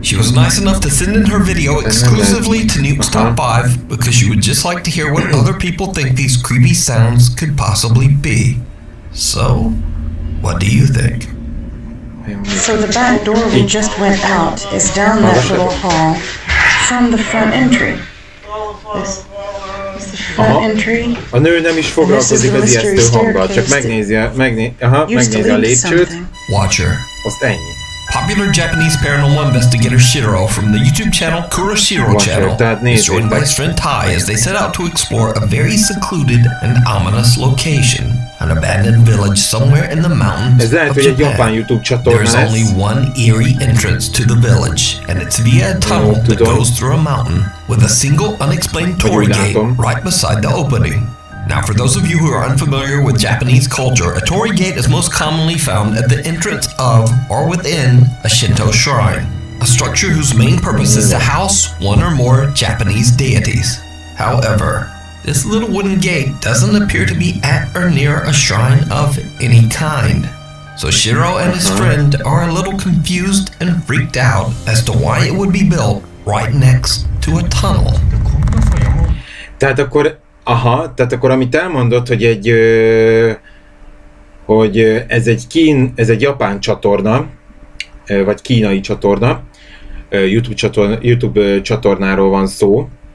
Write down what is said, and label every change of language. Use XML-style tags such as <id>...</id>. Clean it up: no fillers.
<en>She was nice enough to send in her video exclusively to Nukestop 5 because she would just like to hear what other people think these creepy sounds could possibly be. So... what do you think? So the back door we just went out is down that little hall from the front entry. This is the front entry.</en> <hu>A nő nem is foglalkozik az ijesztő hanggal, csak megnézi a lépcsőt.</hu> <en>Watcher.</en> <hu>Azt ennyi.</hu> <en>Popular Japanese paranormal investigator Shiro from the YouTube channel Kuroshiro Channel is joined by his friend Tai as they set out to explore a very secluded and ominous location, an abandoned village somewhere in the mountains of Japan. There is only one eerie entrance to the village, and it's via a tunnel that goes through a mountain with a single unexplained torii gate right beside the opening. Now, for those of you who are unfamiliar with Japanese culture, a torii gate is most commonly found at the entrance of or within a Shinto shrine, a structure whose main purpose is to house one or more Japanese deities. However, this little wooden gate doesn't appear to be at or near a shrine of any kind. So Shiro and his friend are a little confused and freaked out as to why it would be built right next to a tunnel.</en> <hu>Aha, tehát akkor amit elmondott, hogy egy, hogy ez egy kín, ez egy japán csatorna, vagy kínai csatorna, YouTube csatornáról van szó,</hu>